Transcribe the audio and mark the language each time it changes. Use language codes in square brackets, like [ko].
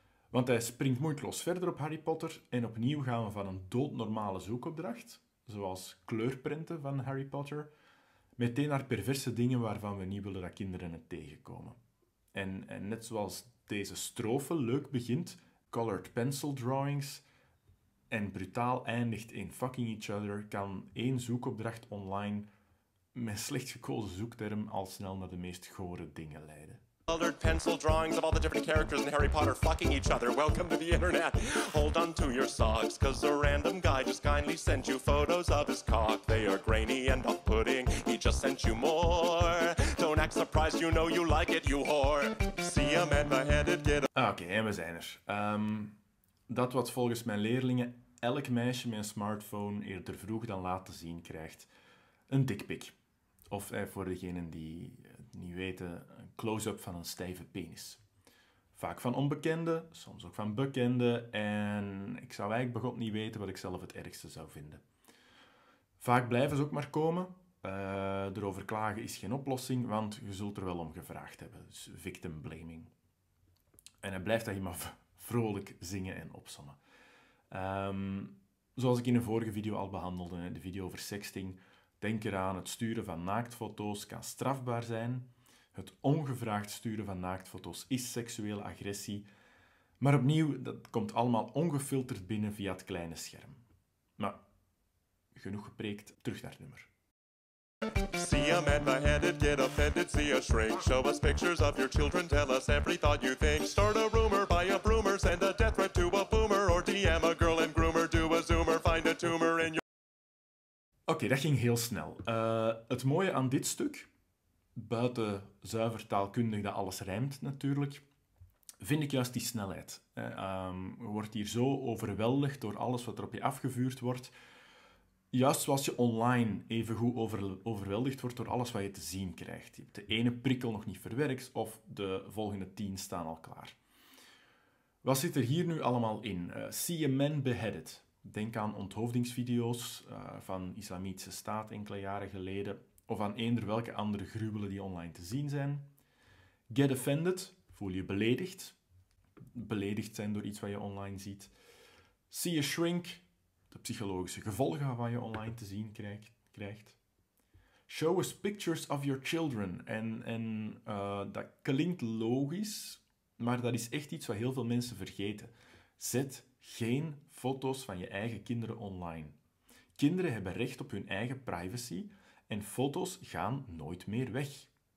[nl] Want hij springt moeiteloos verder op Harry Potter en opnieuw gaan we van een doodnormale zoekopdracht, zoals kleurprenten van Harry Potter, meteen naar perverse dingen waarvan we niet willen dat kinderen het tegenkomen. En net zoals deze strofe leuk begint, colored pencil drawings, en brutaal eindigt in fucking each other, kan één zoekopdracht online met slecht gekozen zoekterm al snel naar de meest gore dingen leiden. [en] Colored pencil drawings of all the different characters in Harry Potter fucking each other. Welcome to the internet. Hold on to your socks, cause a random guy just kindly sent you photos of his cock. They are grainy and off-putting, he just sent you more. Don't act surprised, you know you like it, you whore. See him and my handed get [nl] a... Oké, en we zijn er. Dat wat volgens mijn leerlingen elk meisje met een smartphone eerder vroeg dan laat te zien krijgt. Een dickpic. Of voor degenen die het niet weten, een close-up van een stijve penis. Vaak van onbekende, soms ook van bekende. En ik zou eigenlijk begot niet weten wat ik zelf het ergste zou vinden. Vaak blijven ze ook maar komen. Erover klagen is geen oplossing, want je zult er wel om gevraagd hebben. Dus victim blaming. En hij blijft dat je maar vrolijk zingen en opzommen. Zoals ik in een vorige video al behandelde, de video over sexting. Denk eraan, het sturen van naaktfoto's kan strafbaar zijn. Het ongevraagd sturen van naaktfoto's is seksuele agressie. Maar opnieuw, dat komt allemaal ongefilterd binnen via het kleine scherm. Maar genoeg gepreekt, terug naar het nummer. [en] See a man beheaded, get offended, see a shrink. Show us pictures of your children, tell us every thought you think. Start a rumor, buy a broomer, send a death threat to a boomer. Or DM a girl and groomer, do a zoomer, find a tumor in your... [nl] Oké, dat ging heel snel. Het mooie aan dit stuk, buiten zuiver taalkundig dat alles rijmt natuurlijk, vind ik juist die snelheid. Je wordt hier zo overweldigd door alles wat er op je afgevuurd wordt, Juist zoals je online even goed overweldigd wordt door alles wat je te zien krijgt. Je hebt de ene prikkel nog niet verwerkt of de volgende 10 staan al klaar. Wat zit er hier nu allemaal in? See a man beheaded. Denk aan onthoofdingsvideo's van Islamitische Staat enkele jaren geleden. Of aan eender welke andere gruwelen die online te zien zijn. Get offended. Voel je beledigd. Beledigd zijn door iets wat je online ziet. See a shrink. De psychologische gevolgen van je online te zien krijgt. [en] Show us pictures of your children. [nl] En dat klinkt logisch, maar dat is echt iets wat heel veel mensen vergeten. Zet geen foto's van je eigen kinderen online. Kinderen hebben recht op hun eigen privacy en foto's gaan nooit meer weg.